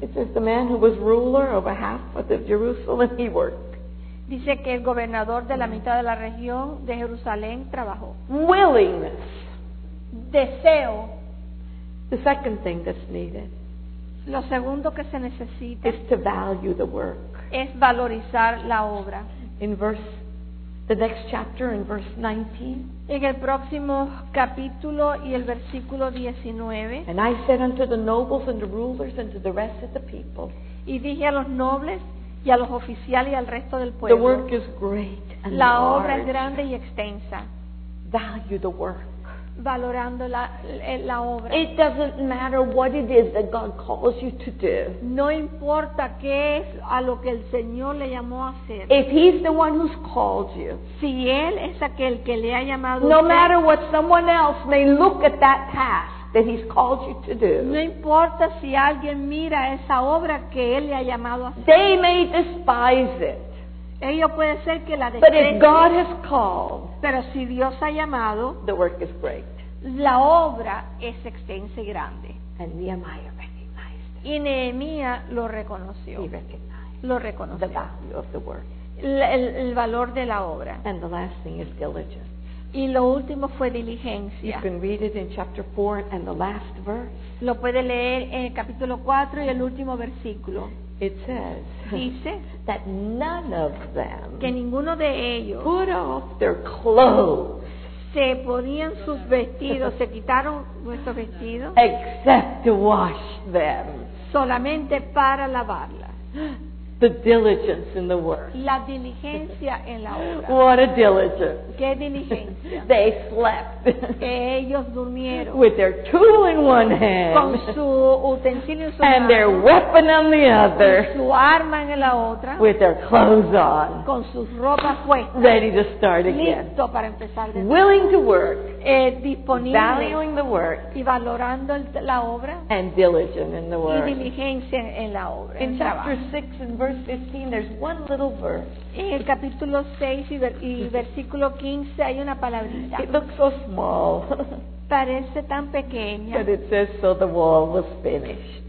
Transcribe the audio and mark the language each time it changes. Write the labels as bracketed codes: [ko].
[en] It says the man who was ruler over half of the Jerusalem, he worked. [es] Dice que el gobernador de la mitad de la región de Jerusalén trabajó. [en] Willingness. [es] Deseo. [en] The second thing that's needed. [es] Lo segundo que se necesita. [en] Is to value the work. [es] Es valorizar la obra. [en] In verse, the next chapter in verse 19. [es] En el próximo capítulo y el versículo 19. [en] And I said unto the nobles and the rulers and to the rest of the people. [es] Y dije a los nobles y a los oficiales y al resto del pueblo. [en] The work is great and [es] la [en] large. [es] Obra es grande y extensa. [en] Value the work. [es] valorando la obra. [en] It doesn't matter what it is that God calls you to do. [es] No importa qué es a lo que el Señor le llamó a hacer. [en] If he's the one who's called you. [es] Si él es aquel que le ha llamado. [en] No matter what someone else may look at that task that he's called you to do. [es] No importa si alguien mira esa obra que él le ha llamado a hacer. [en] They may despise it. [es] Ello puede ser que la despreche. [en] But if God has called, [es] pero si Dios ha llamado, [en] the work is great. [es] La obra es extensa y grande. [en] And Nehemiah recognized it. [es] Y Nehemiah lo reconoció. [en] He recognized [es] lo reconoció. [en] The value of the work. [es] El valor de la obra. [en] And the last thing is diligence. [es] Y lo último fue diligencia. [en] You can read it in chapter 4 and the last verse. [es] Lo puede leer en el capítulo 4 y el último versículo. [en] It says, [es] dice, [en] that none of them, [es] que ninguno de ellos, [en] put off their clothes, [es] se ponían sus vestidos, se quitaron nuestros vestidos, [en] except to wash them, [es] solamente para lavarlas. [en] The diligence in the work. [es] La diligencia en la obra. [en] What a diligence. [es] Qué diligencia. [en] They slept. [es] Ellos durmieron. [en] With their tool in one hand. [es] Con su utensilio en su mano. [en] And their weapon on the other. [es] Su arma en la otra. [en] With their clothes on. [es] Con sus ropas puestas. [en] Ready to start again. [es] Listo para empezar de nuevo. [en] Willing to work. [es] Disponible. [en] Valuing the work. [es] Y valorando la obra. [en] And diligent in the work. [es] Y diligencia en la obra. [en] In chapter 6 and verse 15, there's one little verse. [es] En el capítulo 6 y versículo 15 hay una palabrita. [en] It looks so small. [es] Parece tan pequeña. [en] But it says, so the wall was finished.